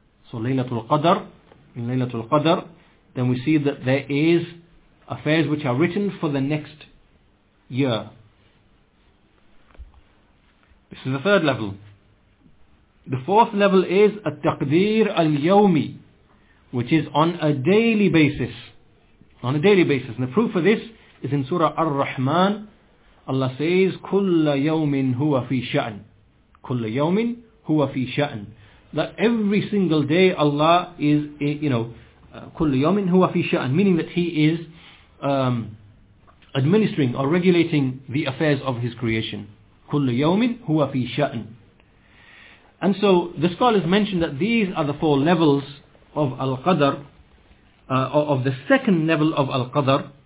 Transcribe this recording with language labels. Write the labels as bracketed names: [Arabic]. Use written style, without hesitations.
[English] So Laylatul Qadr, then we see that there is affairs which are written for the next year. This is the third level. The fourth level is At-Taqdeer Al-Yawmi, which is on a daily basis. On a daily basis. And the proof for this is in Surah Ar-Rahman. Allah says, [Arabic] كُلَّ يَوْمٍ هُوَ فِي شَأْنٍ كُلَّ يَوْمٍ هُوَ فِي شَأْنٍ. [English] That every single day Allah is, you know, [Arabic] كُلَّ يَوْمٍ هُوَ فِي شَأْنٍ, [English] meaning that He is administering or regulating the affairs of His creation. [Arabic] كُلَّ يَوْمٍ هُوَ فِي شَأْنٍ. [English] And so the scholars mentioned that these are the four levels of Al-Qadr, of the second level of Al-Qadr.